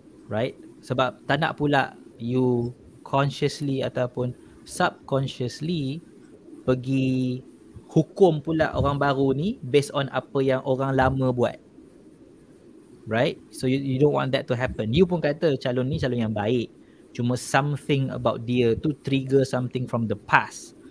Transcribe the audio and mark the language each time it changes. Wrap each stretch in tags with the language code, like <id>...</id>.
<ms>Right? Sebab tak nak pula you consciously ataupun subconsciously pergi hukum pula orang baru ni</ms> <en>based on</en> <ms>apa yang orang lama buat. Right?</ms> <en>So you don't want that to happen.</en> <ms>You pun kata calon ni calon yang baik. Cuma something about dia tu</ms> <en>trigger something from the past.</en>